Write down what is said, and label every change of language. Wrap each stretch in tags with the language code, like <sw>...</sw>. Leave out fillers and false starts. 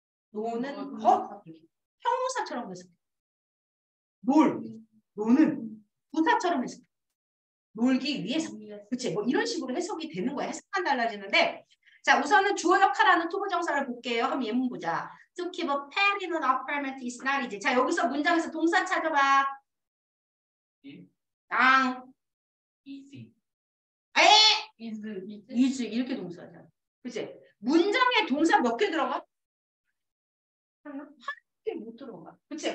<ko>너는 컵? 형용사처럼 해석해. 놀. 너는 부사처럼 해석해. 놀기 위해서. 그치? 뭐 이런 식으로 해석이 되는 거야. 해석만 달라지는데. 자, 우선은 주어 역할하는 투부정사를 볼게요. 그럼 예문 보자.</ko> <en>To keep a pet in an apartment is not easy.</en> <ko>자, 여기서 문장에서 동사 찾아봐. 땅.</ko> <en>Easy. 에? Is.</en> <ko>이렇게 동사잖아. 그치? 문장에 동사 몇 개 들어가? 한 개 못 들어가. 그치?</ko>